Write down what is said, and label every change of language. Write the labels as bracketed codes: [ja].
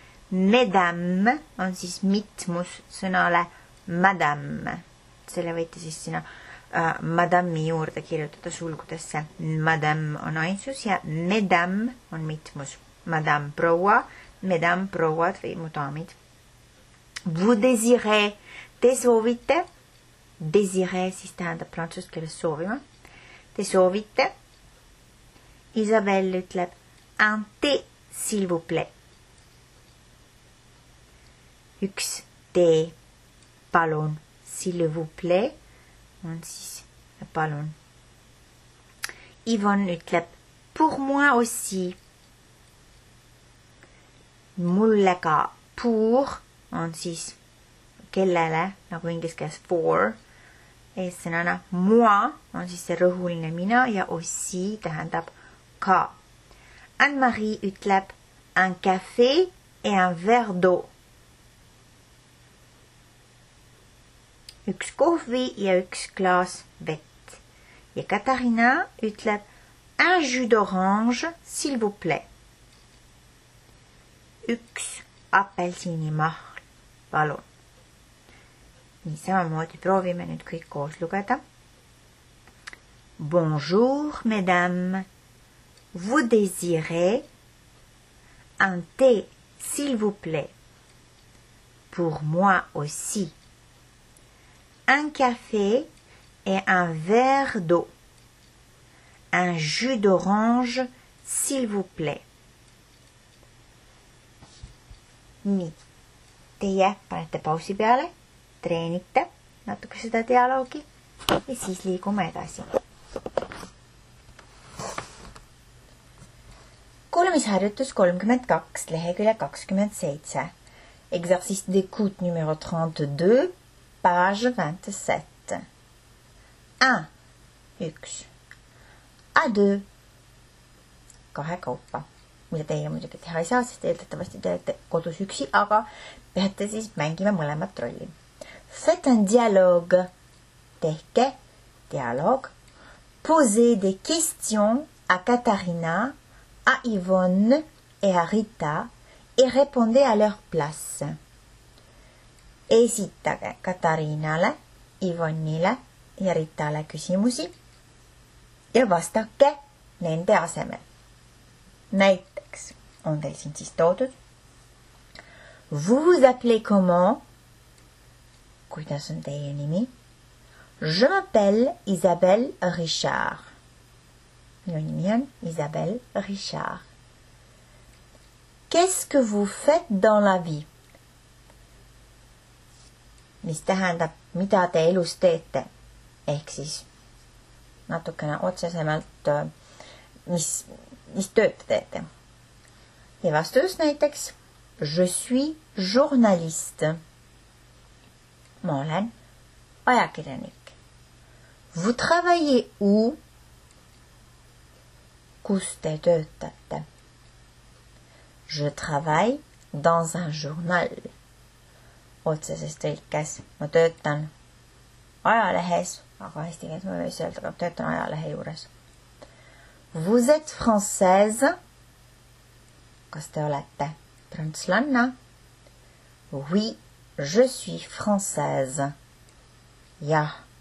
[et] Madame on siis mitmus sõnale madame. Selle võite siis sinna madame juurde kirjutada sulgudesse. Madame on ainsus ja madame on mitmus. Madame proua, madame prouad või mu daamid. [fr] Vous désirez, [et] te soovite. Désirez siis tähendab prantsust keeles soovima. Te soovite? Isabelle ütleb [fr] un thé, s'il vous plaît. [et] Üks tee, palun, [fr] s'il vous plaît. [et] On siis palun. Yvonne ütleb [fr] pour moi aussi. [et] Mulle ka pour on siis kellele, nagu inglise keeles for. Eessõnana moi on siis see rõhuline mina ja aussi tähendab ka. Anne-Marie ütleb [fr] un café et un verre d'eau. [et] Üks kohvi ja üks klaas vett. Ja Katarina ütleb [fr] un jus d'orange s'il vous plaît. [et] Üks apelsinimahl, palun. Nii, samamoodi proovime nüüd kõik koos lugeda. [fr] Bonjour, mesdames. Vous désirez un thé, s'il vous plaît. Pour moi aussi. Un café et un verre d'eau. Un jus d'orange, s'il vous plaît. [et] Nii, teie panete pausi peale. Treenite natuke seda dialoogi ja siis liigume edasi. Kuulamisharjutus 32, lehekülje 27. [fr] Exercice d'écoute numéro 32, page 27. [et] 1. 1. A2. kahe kaupa. Mida teie muidugi teha ei saa, sest eeldatavasti te olete kodus üksi, aga peate siis mängima mõlemat rolli. [fr] Faites un dialogue. [et] Tehke dialog. [fr] Posez des questions à Katarina, à Yvonne et à Rita et répondez à leur place. [et] Esitage Katarinale, Yvonnele ja Ritale küsimusi ja vastake nende asemel. Näiteks on teil siin siis toodud. [fr] Vous vous appelez comment? [et] Kuidas on teie nimi? [fr] Je m'appelle Isabelle Richard. [et] Minu nimi on Isabelle Richard. [fr] Qu'est-ce que vous faites dans la vie? [et] Mis tähendab, mida te elus teete? Ehk siis natukene otsesemalt, mis tööd te teete? Ja vastus näiteks. [fr] Je suis journaliste. [et] Ma olen ajakirjanik. [fr] Vous travaillez où? [et] Kus te töötate? [fr] Je travaille dans un journal. [et] Otsesest tõlkes, ma töötan ajalehes, aga hästi kes ma võis öelda, aga töötan ajalehe juures. [fr] Vous êtes française? [et] Kas te olete prantslanna? [fr] Oui, je suis française. Jah.